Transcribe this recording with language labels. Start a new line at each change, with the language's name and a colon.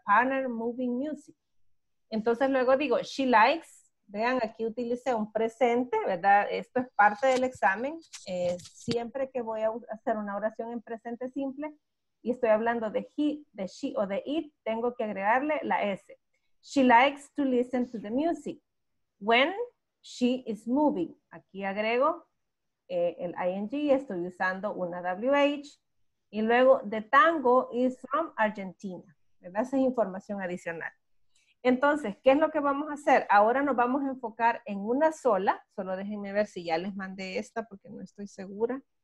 English: Partner, moving, music.
Spanish: Entonces, luego digo,
English: she likes.
Spanish: Vean, aquí utilicé un presente, ¿verdad? Esto es parte del examen. Siempre que voy a hacer una oración en presente simple y estoy hablando de he, de she o de it, tengo que agregarle la S.
English: She likes to listen to the music when she is moving.
Spanish: Aquí agrego el ing, estoy usando una WH. Y luego,
English: the tango is from Argentina, ¿verdad?
Spanish: Esa es información adicional. Entonces, ¿qué es lo que vamos a hacer? Ahora nos vamos a enfocar en una sola. Solo déjenme ver si ya les mandé esta porque no estoy segura.